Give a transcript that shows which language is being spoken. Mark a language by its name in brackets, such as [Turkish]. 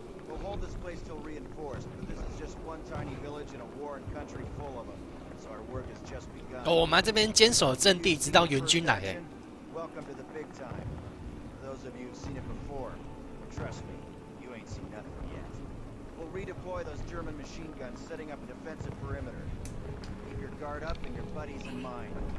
[English] We'll hold this place till reinforced, but this is just one tiny village in a warren country full of them. So our work has just begun. [Chinese] 哦，我们这边坚守阵地，直到援军来。 [English] 哎。Welcome to the big time. For those of you who've seen it before, trust me, you ain't seen nothing yet. We'll redeploy those German machine guns, setting up a defensive perimeter. Keep your guard up and your buddies in mind.